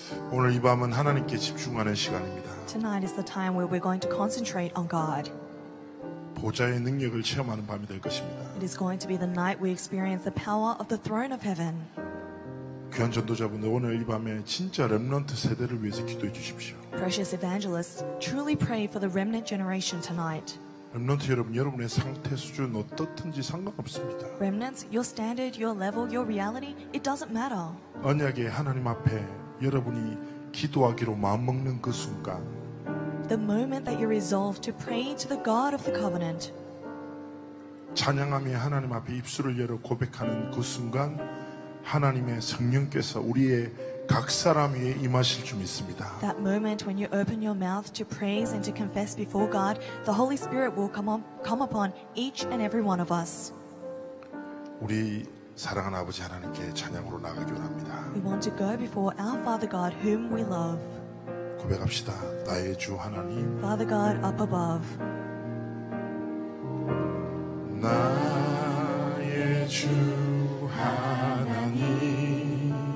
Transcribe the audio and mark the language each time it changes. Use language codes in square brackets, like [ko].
[ko] 오늘 이 밤은 하나님께 집중하는 시간입니다. [en] Tonight is the time where we're going to concentrate on God. [ko] 보좌의 능력을 체험하는 밤이 될 것입니다. [en] It is going to be the night we experience the power of the throne of heaven. [ko] 귀한 전도자분들 오늘 이 밤에 진짜 렘넌트 세대를 위해서 기도해 주십시오. [en] Precious evangelists, truly pray for the remnant generation tonight. [ko] 렘넌트 여러분, 여러분의 상태 수준 어떻든지 상관없습니다. [en] Remnants, your standard, your level, your reality, it doesn't matter. [ko] 언약의 하나님 앞에 여러분이 기도하기로 마음 먹는 그 순간, [en] the moment that you resolve to pray to the God of the covenant, [ko] 찬양하며 하나님 앞에 입술을 열어 고백하는 그 순간, 하나님의 성령께서 우리의 각 사람 위에 임하실 줄 믿습니다. [en] That moment when you open your mouth to praise and to confess before God, the Holy Spirit will come upon each and every one of us. [ko] 우리 사랑하는 아버지 하나님께 찬양으로 나가기 원합니다. [en] We want to go before our Father God whom we love. [ko] 고백합시다. 나의 주 하나님. [en] Father God up above. [ko] 나의 주 하나님.